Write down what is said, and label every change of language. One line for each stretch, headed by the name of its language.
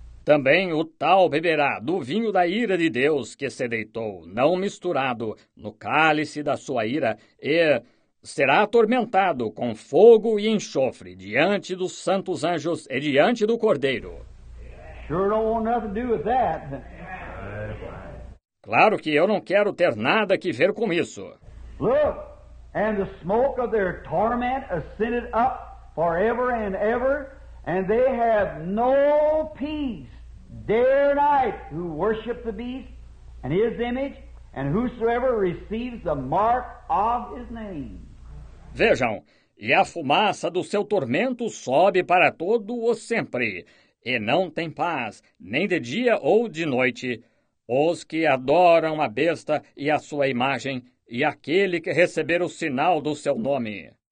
Portuguese: Também o tal beberá do vinho da ira de Deus que se deitou, não misturado, no cálice da sua ira, e será atormentado com fogo e enxofre diante dos santos anjos e diante do Cordeiro.
English: Sure don't want nothing to do with that.
Portuguese: Claro que eu não quero ter nada que ver com isso.
English: Look, and the smoke of their torment ascended up forever and ever, and they have no peace day or night who worship the beast and his image, and whosoever receives the mark of his name.
Portuguese: Vejam, e a fumaça do seu tormento sobe para todo o sempre, e não tem paz, nem de dia ou de noite, os que adoram a besta e a sua imagem, e aquele que receber o sinal do seu nome.